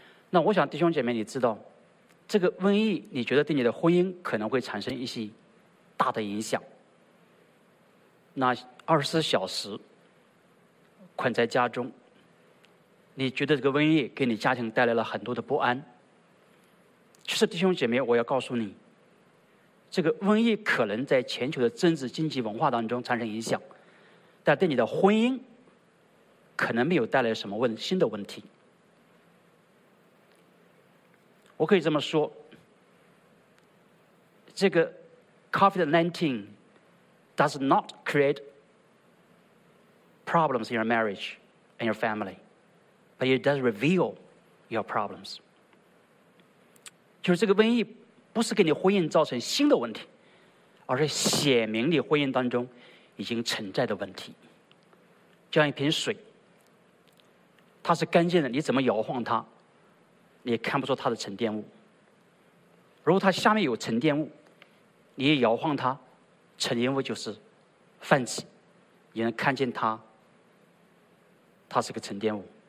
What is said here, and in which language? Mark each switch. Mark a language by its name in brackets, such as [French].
[Chinese] 那我想弟兄姐妹，你知道这个瘟疫你觉得对你的婚姻可能会产生一些大的影响，那24小时困在家中，你觉得这个瘟疫给你家庭带来了很多的不安。其实弟兄姐妹，我要告诉你，这个瘟疫可能在全球的政治、经济、文化当中产生影响，但对你的婚姻可能没有带来什么新的问题。我可以这么说，这个 [English] COVID-19 does not create problems in your marriage and your family, but it does reveal your problems. [Chinese] 就是这个瘟疫不是给你婚姻造成新的问题，而是显明你婚姻当中已经存在的问题。就像一瓶水，它是干净的，你怎么摇晃它你也看不出它的沉淀物，如果它下面有沉淀物，你一摇晃它，沉淀物就是泛起，你能看见它，它是个沉淀物。